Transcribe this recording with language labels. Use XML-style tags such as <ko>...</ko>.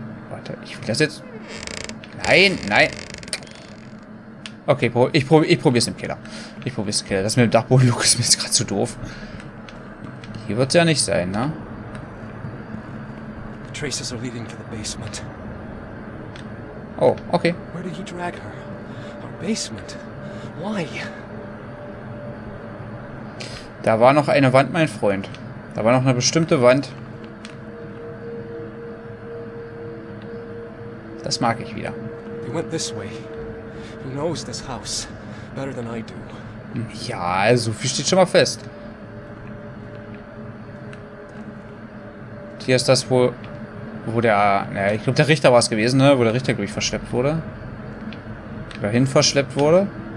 <de>Warte, ich will das jetzt... Nein, nein. Okay, ich probiere es im Keller. Ich probiere es im Keller. Das mit dem Dachboden-Look ist mir jetzt gerade zu doof. Hier wird es ja nicht sein, ne?</de> <en>The traces are leading to the basement. Oh, okay. Where did he drag her? Our basement? Why?</en> <de>Da war noch eine Wand, mein Freund. Da war noch eine bestimmte Wand. Das mag ich wieder.</de> <en>They went this way. Who knows this house better than I do?</en> <de>Ja, so viel steht schon mal fest. Hier ist das, wo der, naja, ich glaube, der Richter war es gewesen, ne? Wo der Richter, glaube ich, verschleppt wurde. Dahin verschleppt wurde.</de>